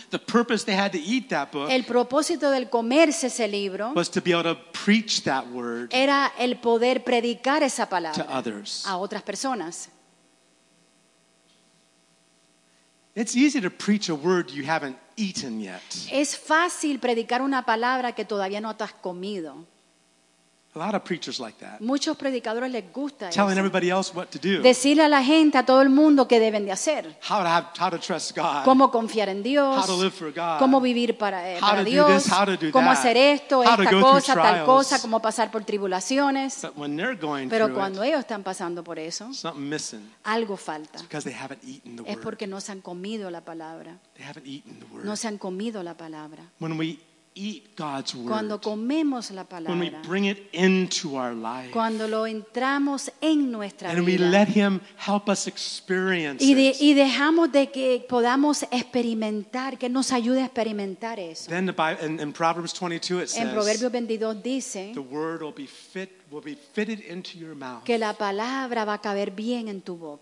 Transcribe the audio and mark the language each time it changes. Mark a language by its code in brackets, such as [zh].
[en] the purpose they had to eat that book, [es] el propósito del comerse ese libro, [en] was to be able to preach that word, [es] era el poder predicar esa palabra [en] to others. [es] A otras personas. [en] It's easy to preach a word you haven't eaten yet. [es] Es fácil predicar una palabra que todavía no te has comido. [en] A lot of preachers like that. [es] Muchos predicadores les gusta [en] telling [es] eso. [en] Everybody else what to do. [es] Decirle a la gente, a todo el mundo, qué deben de hacer. [en] How to trust God. [es] Cómo confiar en Dios. [en] How to live for God. [es] Cómo vivir para Dios. [en] This, how to do [es] cómo [en] that. [es] Hacer esto, [en] how [es] esta cosa, tal cosa, cómo pasar por tribulaciones. [en] But when they're going [es] Pero [en] through [es] cuando [en] it, [es] ellos están pasando por eso, [en] something missing. [es] Algo falta. [en] It's because they haven't eaten the [es] es [en] word. [es] Porque no se han comido la palabra. [en] They haven't eaten the word. [es] No se han comido la palabra. [en] When we eat God's word. [es] Cuando comemos la palabra. [en] When we bring it into our life. [es] Cuando lo entramos en nuestra [en] and And we let him help us experience [es] y de, it. Y dejamos de que podamos experimentar, que nos ayude a experimentar eso. [en] Then the Bible, in Proverbs 22 it says. [es] En Proverbios 22 dice. [en] The word will be fitted into your mouth. [es] Que la palabra va a caber bien en tu boca.